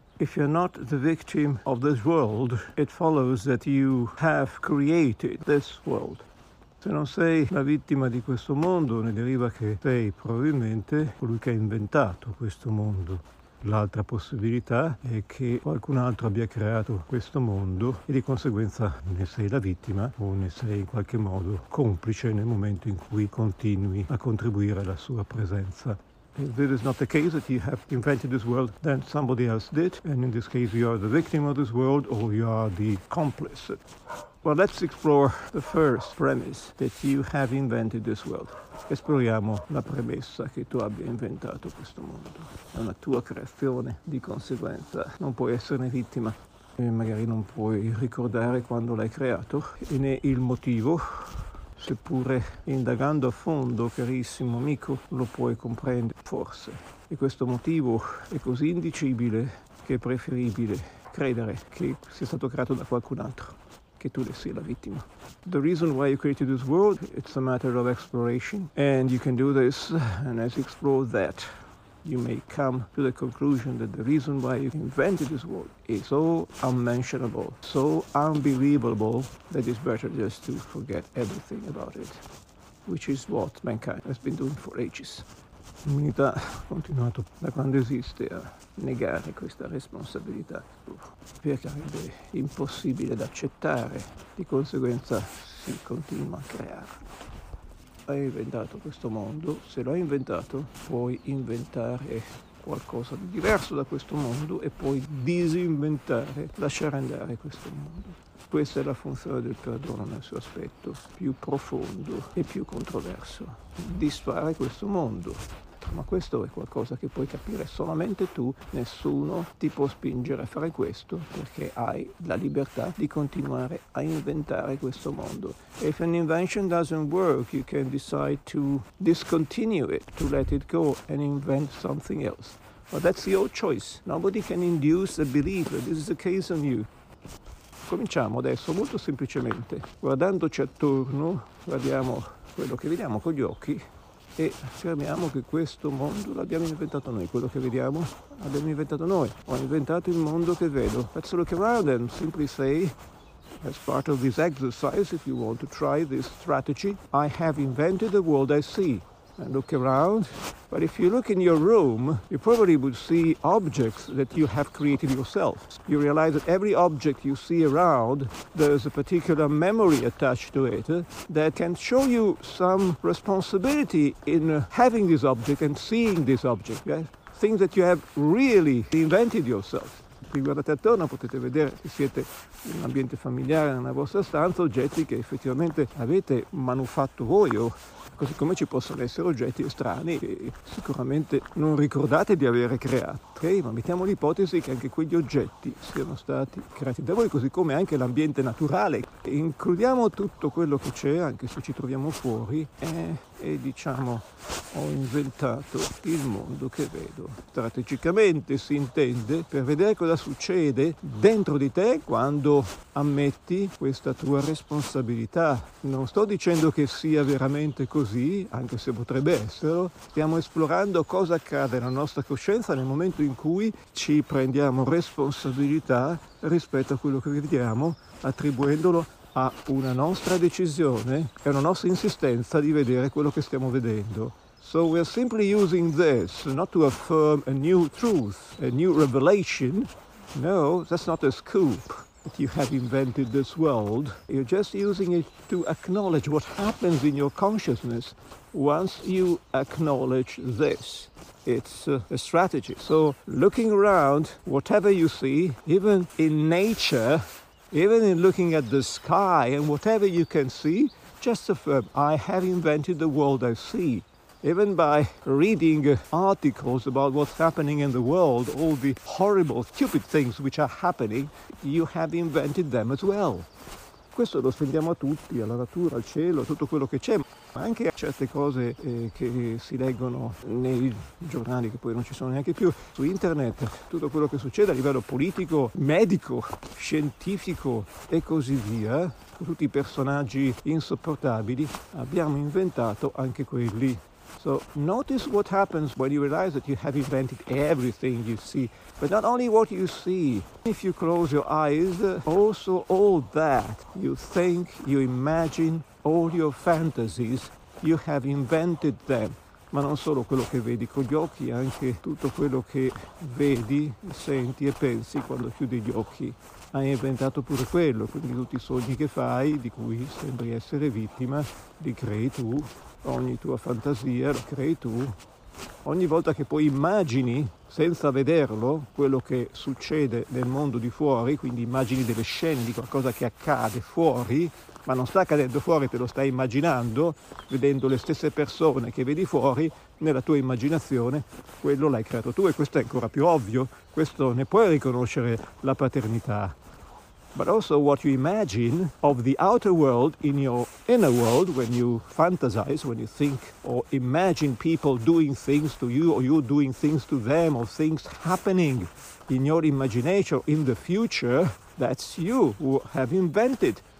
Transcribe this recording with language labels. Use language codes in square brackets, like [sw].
[en] If you're not the victim of this world, it follows that you have created this world. [it] Se non sei la vittima di questo mondo, ne deriva che sei probabilmente colui che ha inventato questo mondo. L'altra possibilità è che qualcun altro abbia creato questo mondo e di conseguenza ne sei la vittima o ne sei in qualche modo complice nel momento in cui continui a contribuire alla sua presenza. [en] If this is not the case, that you have invented this world, then somebody else did, and in this case you are the victim of this world or you are the complice. Well, let's explore the first premise, that you have invented this world. [it] Esploriamo la premessa che tu abbia inventato questo mondo. È una tua creazione, di conseguenza non puoi esserne vittima. E magari non puoi ricordare quando l'hai creato, e né il motivo. Seppure indagando a fondo, carissimo amico, lo puoi comprendere, forse. E questo motivo è così indicibile che è preferibile credere che sia stato creato da qualcun altro, che tu ne sia la vittima. [en] The reason why you created this world, it's a matter of exploration. And you can do this, and as you explore that, you may come to the conclusion that the reason why you invented this world is so unmentionable, so unbelievable, that it's better just to forget everything about it, which is what mankind has been doing for ages. [it] L'umanità ha continuato da quando esiste a negare questa responsabilità, perché sarebbe impossibile da accettare, di conseguenza si continua a creare. Hai inventato questo mondo, se l'hai inventato puoi inventare qualcosa di diverso da questo mondo e puoi disinventare, lasciare andare questo mondo. Questa è la funzione del perdono nel suo aspetto più profondo e più controverso, disfare questo mondo. Ma questo è qualcosa che puoi capire solamente tu, nessuno ti può spingere a fare questo perché hai la libertà di continuare a inventare questo mondo. [en] If an invention doesn't work, you can decide to discontinue it, to let it go and invent something else. But that's your choice. Nobody can induce a belief that this is the case on you. [it] Cominciamo adesso molto semplicemente. Guardandoci attorno, guardiamo quello che vediamo con gli occhi. E affermiamo che questo mondo l'abbiamo inventato noi, quello che vediamo l'abbiamo inventato noi. Ho inventato il mondo che vedo. [en] Let's look around and simply say, as part of this exercise, if you want to try this strategy, I have invented the world I see. And look around. But if you look in your room, you probably would see objects that you have created yourself. You realize that every object you see around, there's a particular memory attached to it that can show you some responsibility in having this object and seeing this object. Yeah? Things that you have really invented yourself. [it] Qui guardate attorno, potete vedere se siete in un ambiente familiare, nella vostra stanza, oggetti che effettivamente avete manufatto voi, o così come ci possono essere oggetti strani che sicuramente non ricordate di avere creato. Okay? Ma mettiamo l'ipotesi che anche quegli oggetti siano stati creati da voi, così come anche l'ambiente naturale. E includiamo tutto quello che c'è, anche se ci troviamo fuori, e diciamo, ho inventato il mondo che vedo. Strategicamente si intende, per vedere cosa succede dentro di te quando ammetti questa tua responsabilità. Non sto dicendo che sia veramente così, anche se potrebbe esserlo. Stiamo esplorando cosa accade alla nostra coscienza nel momento in cui ci prendiamo responsabilità rispetto a quello che vediamo, attribuendolo a una nostra decisione e una nostra insistenza di vedere quello che stiamo vedendo. [en] So we are simply using this not to affirm a new truth, a new revelation. No, that's not a scoop that you have invented this world. You're just using it to acknowledge what happens in your consciousness once you acknowledge this. It's a strategy. So looking around, whatever you see, even in nature, even in looking at the sky and whatever you can see, just affirm, I have invented the world I see. Even by reading articles about what's happening in the world, all the horrible, stupid things which are happening, you have invented them as well. [it] Questo lo spendiamo a tutti, alla natura, al cielo, a tutto quello che c'è. Ma anche a certe cose che si leggono nei giornali, che poi non ci sono neanche più, su internet, tutto quello che succede a livello politico, medico, scientifico e così via, con tutti i personaggi insopportabili, abbiamo inventato anche quelli. [en] So notice what happens when you realize that you have invented everything you see. But not only what you see, if you close your eyes, also all that you think, you imagine, all your fantasies, you have invented them. [it] Ma non solo quello che vedi con gli occhi, anche tutto quello che vedi, senti e pensi quando chiudi gli occhi. Hai inventato pure quello, quindi tutti i sogni che fai, di cui sembri essere vittima, li crei tu. Ogni tua fantasia la crei tu. Ogni volta che poi immagini, senza vederlo, quello che succede nel mondo di fuori, quindi immagini delle scene di qualcosa che accade fuori, ma non sta accadendo fuori, te lo stai immaginando, vedendo le stesse persone che vedi fuori, nella tua immaginazione, quello l'hai creato tu, e questo è ancora più ovvio, questo ne puoi riconoscere la paternità. [en] But also what you imagine of the outer world in your inner world, when you fantasize, when you think or imagine people doing things to you, or you doing things to them, or things happening in your imagination in the future, that's you who have invented.